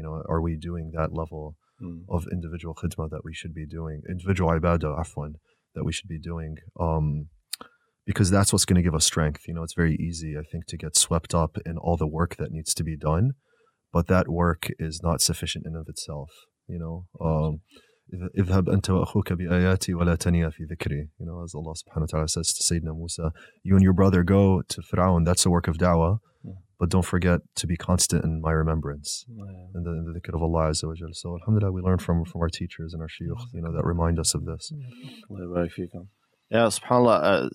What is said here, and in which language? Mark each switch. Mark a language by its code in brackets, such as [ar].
[en] You know, are we doing that level of individual khidmah that we should be doing, individual ibadah, afwan, that we should be doing? Because that's what's going to give us strength. You know, it's very easy, I think, to get swept up in all the work that needs to be done, but that work is not sufficient in of itself. You know, [ar] اذهب أنت وأخوك بآياتي ولا تنيا في ذكري. [en] You know, as Allah subhanahu wa ta'ala says to Sayyidina Musa, you and your brother go to Fir'aun, that's a work of da'wah. But don't forget to be constant in my remembrance and the dhikr of Allah Azza wa Jal. So alhamdulillah, we learn from our teachers and our shuyukh, you know, that remind us of this. Yeah, subhanAllah.